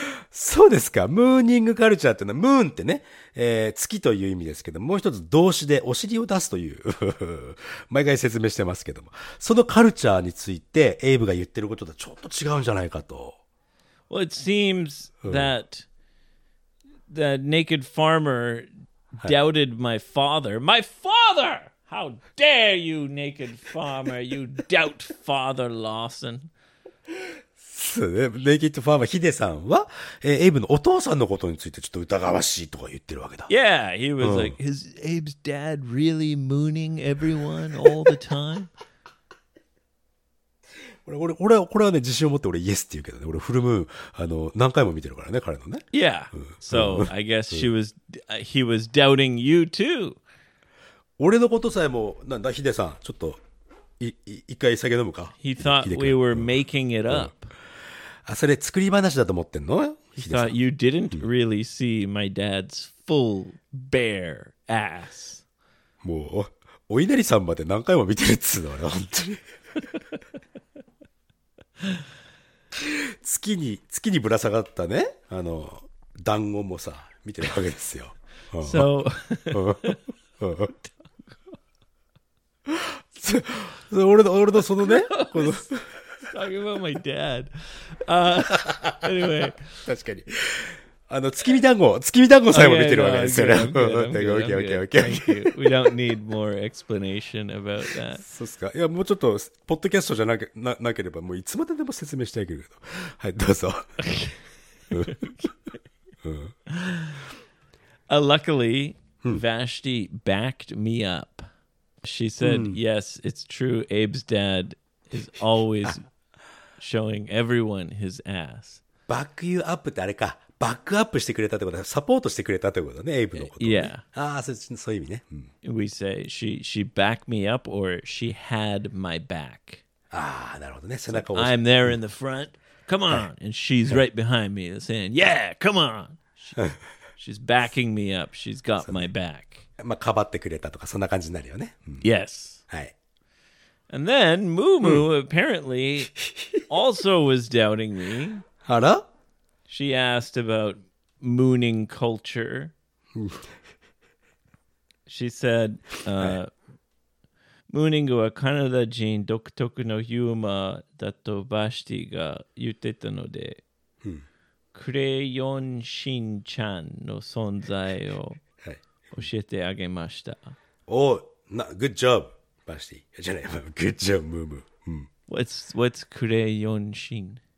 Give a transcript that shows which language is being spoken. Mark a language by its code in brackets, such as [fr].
[ja] そうですか。ムーニングカルチャーってのはムーンってね、月という意味ですけど、もう一つ動詞でお尻を出すという毎回説明してますけども、そのカルチャーについてエイブが言ってることとちょっと違うんじゃないかと。 [en] Well, it seems that the naked farmer. Doubted my father. My father! How dare you, naked farmer? You doubt Father Lawson. [ja] つ、ね、ネイキッドファーマーヒデさんは、エイブのお父さんのことについてちょっと疑わしいとか言ってるわけだ。 [en] Yeah, he was、うん、like, is Abe's dad really mooning everyone all the time? [ja] 俺はね、自信を持って俺イエスって言うけどね。俺フルムーン、何回も見てるからね、彼のね。 [en] Yeah,、うん、so I guess she was, he was doubting you too. [ja] 俺のことさえも、なんだ、ヒデさん、ちょっと、一回酒飲むか。 [en] He thought we were making it up.、 [ja] うん、あ、それ作り話だと思ってんの？ [en] He thought you didn't really see my dad's full bare ass. [ja] もう、お稲荷さんまで何回も見てるっつうのよ、ほんとに。月にぶら下がったね、あの、団子もさ、見てるわけですよ。 [en] So, [ja] 俺のそのね、この。 [en] Talking about my dad. Anyway. [ja] 確かに。あの、月見団子さえも見てるわけですよ。 [en] Okay, okay, okay, okay. Thank you. We don't need more explanation about that. [ja] そうっすか。いや、もうちょっと、ポッドキャストじゃなければ、もういつまででも説明したいけど。はい、どうぞ。 [en] luckily, Vashti backed me up. She said, yes, it's true, Abe's dad is always showing everyone his ass. Back you up [ja] ってあれか。バックアップしてくれたってことだ。サポートしてくれたってことだね、エイブのことを、ね。 [en] Yeah. [ja] ああ、そういう意味ね。う [en] ん、We say, she backed me up or she had my back. [ja] ああ、なるほどね。背中を押 [en] して。I'm there in the front. Come on!、はい、and she's right behind me saying, yeah, come on! She's backing me up. She's got my back. [ja] まあ、かばってくれたとか、そんな感じになるよね。うん、 [en] yes. [ja] はい。 [en] And then, Moo Moo apparently also was doubting me. [ja] あら？ [en] She asked about mooning culture. She said, [ja] mooning はカナダ人独特のユーモアだとバシティが言ってたので、クレヨンしんちゃんの存在を教えてあげました。 [en] Oh, good job, バシティ。 [ja] じゃない、 [en] good job, ムーム。 What's クレヨンしん？